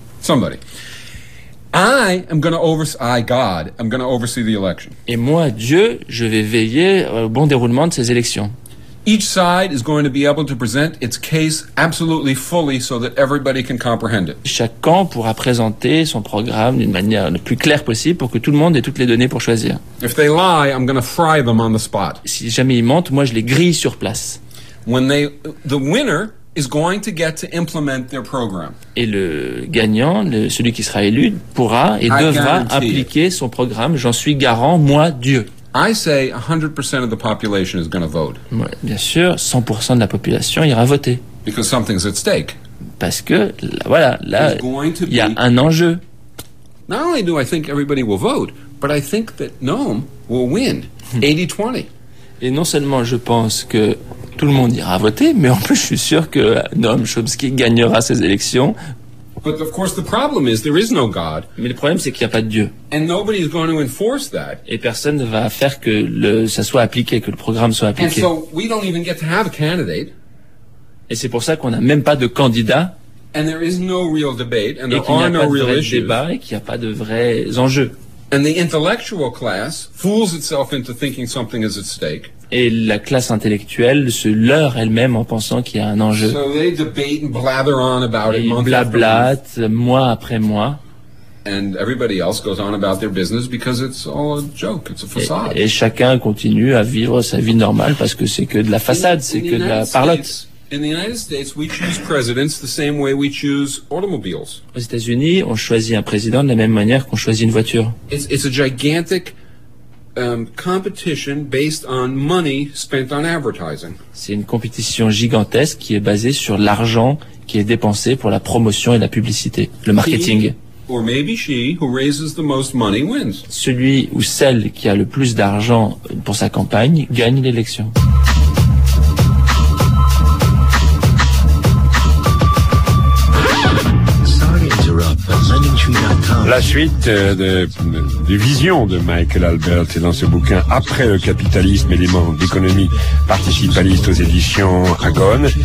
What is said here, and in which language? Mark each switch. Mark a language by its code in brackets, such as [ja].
[en] Somebody. I'm going to oversee the election. [fr] Et moi, Dieu, je vais veiller au bon déroulement de ces élections. [en] Each side is going to be able to present its case absolutely fully so that everybody can comprehend it. [fr] Chaque camp pourra présenter son programme d'une manière la plus claire possible pour que tout le monde ait toutes les données pour choisir. [en] If they lie, I'm going to fry them on the spot. [fr] Si jamais ils mentent, moi je les grille sur place. [en] The winner is going to get to implement their program. [fr] Et le gagnant, celui qui sera élu, pourra et devra appliquer son programme. J'en suis garant, moi, Dieu. [en] I say 100% of the population is going to vote. [fr] Ouais, bien sûr, 100% de la population ira voter. [en] Because something's at stake. [fr] Parce que là, voilà, là il y a un enjeu. [en] Not only do I think everybody will vote, but I think that Noam will win 80-20. [fr] Et non seulement je pense que tout le monde ira voter, mais en plus je suis sûr que Noam Chomsky gagnera ces élections. [en] But of course the problem is there is no God. [fr] Mais le problème c'est qu'il y a pas de Dieu. [en] And nobody is going to enforce that. [fr] Et personne ne va faire que ça soit appliqué, que le programme soit appliqué. [en] And so we don't even get to have a candidate. [fr] Et c'est pour ça qu'on a même pas de candidat. [en] And there is no real debate and there are no real issues. [fr] Et qu'il n'y a pas de vrai débat, qu'il y a pas de vrais enjeux. [en] And the intellectual class fools itself into thinking something is at stake. [fr] Et la classe intellectuelle se leurre elle-même en pensant qu'il y a un enjeu. [en] So they debate and blather on about [fr] et [en] it month [fr] blablate [en] after month. [fr] Mois après mois. [en] And everybody else goes on about their business because it's all a joke, it's a facade. [fr] Et chacun continue à vivre sa vie normale parce que c'est que de la façade, c'est que de la parlotte. [en] In the United States, we choose presidents the same way we choose automobiles. [fr] Aux États-Unis, on choisit un président de la même manière qu'on choisit une voiture. [en] It's a gigantic competition based on money spent on advertising. [fr] C'est une compétition gigantesque qui est basée sur l'argent qui est dépensé pour la promotion et la publicité, le marketing. [en] Or maybe she who raises the most money wins. [fr] Celui ou celle qui a le plus d'argent pour sa campagne gagne l'élection. La suite de vision de Michael Albert est dans ce bouquin « Après le capitalisme, élément d'économie participaliste » aux éditions Agon.